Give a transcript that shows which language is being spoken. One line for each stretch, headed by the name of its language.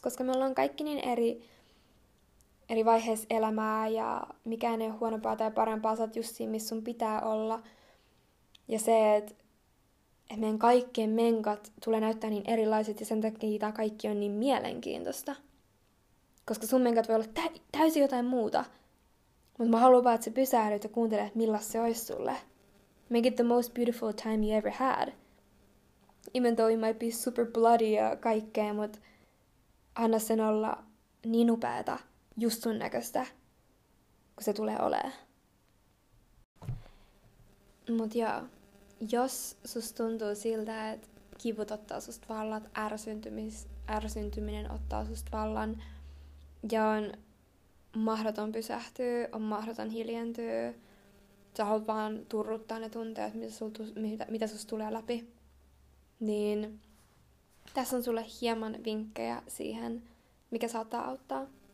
Finnish: Koska me ollaan kaikki niin eri vaiheissa elämää ja mikään ei ole huonompaa tai parempaa, sä oot just siinä, missä sun pitää olla. Ja se, että meidän kaikkien menkat tulee näyttää niin erilaiset ja sen takia tämä kaikki on niin mielenkiintoista. Koska sun menkät voi olla täysin jotain muuta. Mutta mä haluan vaan, että sä pysähdyt ja kuuntelet, että millas se olisi sulle.
English: Make it the most beautiful time you ever had. Even though it might be super bloody
Finnish: ja kaikkea, mut anna sen olla niin upeata just sun näköistä, kun se tulee olemaan. Mut joo, jos susta tuntuu siltä, että kivut ottaa susta vallat, ärsyntyminen ottaa susta vallan, ja on mahdoton pysähtyä, on mahdoton hiljentyä, sä haluat vaan turruttaa ne tunteet, mitä susta tulee läpi, niin tässä on sulle hieman vinkkejä siihen, mikä saattaa auttaa.